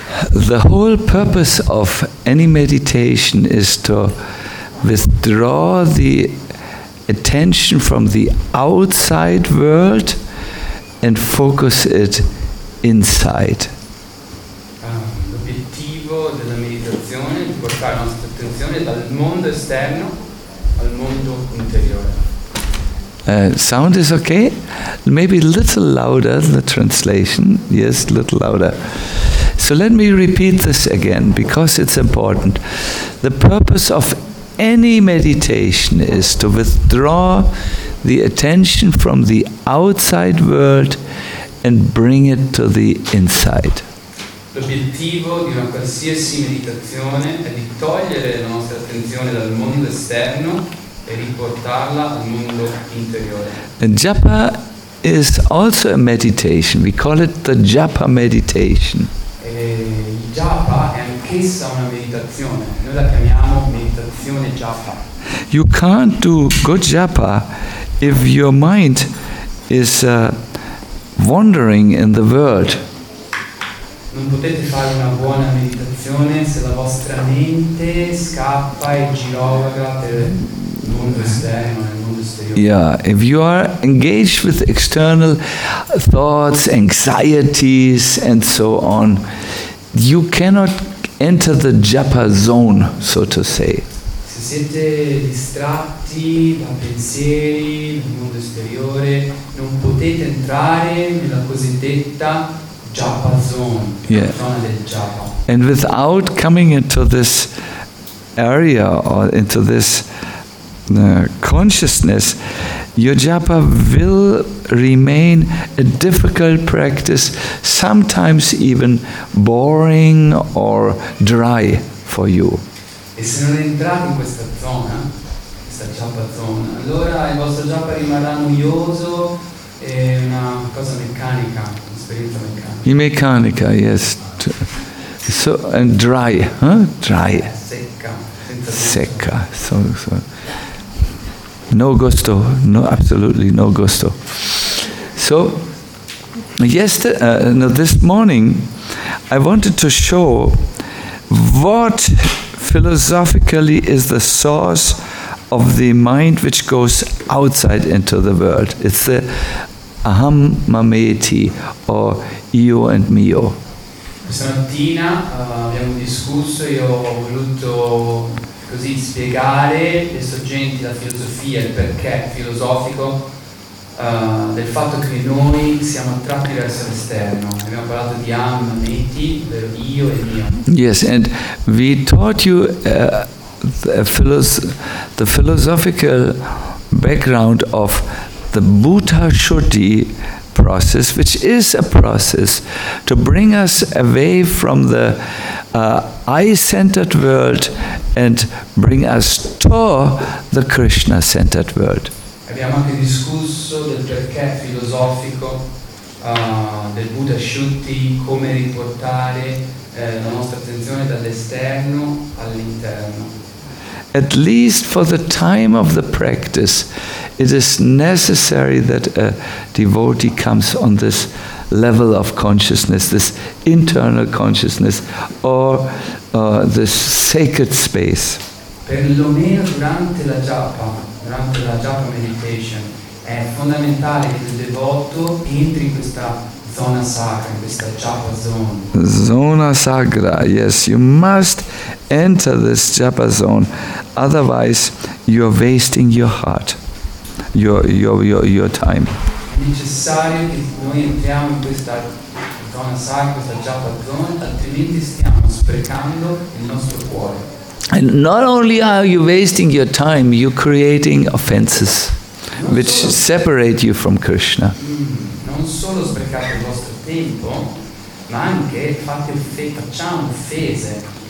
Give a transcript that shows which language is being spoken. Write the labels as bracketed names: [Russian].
[English] The whole purpose of any meditation is to withdraw the attention from the outside world and focus it inside. [Italian] L'obiettivo della meditazione è di portare la nostra attenzione dal mondo esterno al mondo interiore. [English] Sound is okay? Maybe a little louder, the translation. Yes, a little louder. So let me repeat this again, because it's important. The purpose of any meditation is to withdraw the attention from the outside world and bring it to the inside. [Italian] L'obiettivo di una qualsiasi meditazione è di togliere la nostra attenzione dal mondo esterno e riportarla al mondo interiore. [English] And japa is also a meditation. We call it the japa meditation. [Italian] Il japa è anch'essa una meditazione. Noi la chiamiamo meditazione japa. [English] You can't do good japa if your mind is wandering in the world. [Italian] Non potete fare una buona meditazione se la vostra mente scappa e girovaga per il mondo esterno. [English] Yeah, if you are engaged with external thoughts, anxieties, and so on, you cannot enter the japa zone, so to say. [Italian] Se siete distratti da pensieri nel mondo esteriore, non potete entrare nella cosiddetta japa zone, yeah. La zona del japa. [English] And without coming into this area or into this consciousness, your japa will remain a difficult practice, sometimes even boring or dry for you. [Italian] E se non entrate in questa zona, questa japa zona, allora il vostro japa rimarrà noioso e una cosa meccanica, un'esperienza meccanica. In meccanica, [English] yes. So, and dry, huh? Dry. [Italian] Secca. Secca, [English] so. No gusto, no, absolutely no gusto. So, this morning, I wanted to show what philosophically is the source of the mind which goes outside into the world. It's the aham mameti, or io and mio. [Italian] Questa mattina abbiamo discusso, io ho voluto così spiegare le sorgenti della filosofia, il perché filosofico del fatto che noi siamo attratti verso l'esterno. Abbiamo parlato di anima, meti, ovvero io e mio. [English] Yes, and we taught you the philosophical background of the Buddha Shuddhi process, which is a process to bring us away from the I-centered world and bring us to the Krishna-centered world. [Italian] Abbiamo anche discusso del perché filosofico del Buddha Shuddhi, come riportare la nostra attenzione dall'esterno all'interno. [English] At least for the time of the practice, it is necessary that a devotee comes on this level of consciousness, this internal consciousness, or this sacred space. [Italian] Per lo meno durante la japa meditation, è fondamentale che il devoto entri in questa zona sacra, in questa japa zone. Zona sacra, [English] yes, you must enter this japa zone, otherwise you are wasting your heart, your time. [Italian] È necessario che noi entriamo in questa zona sacra, questa japa zone, altrimenti stiamo sprecando il nostro cuore. [English] And not only are you wasting your time, you're creating offenses which separate you from Krishna. [Italian] Non solo sprecate il vostro tempo, ma anche facciamo offese,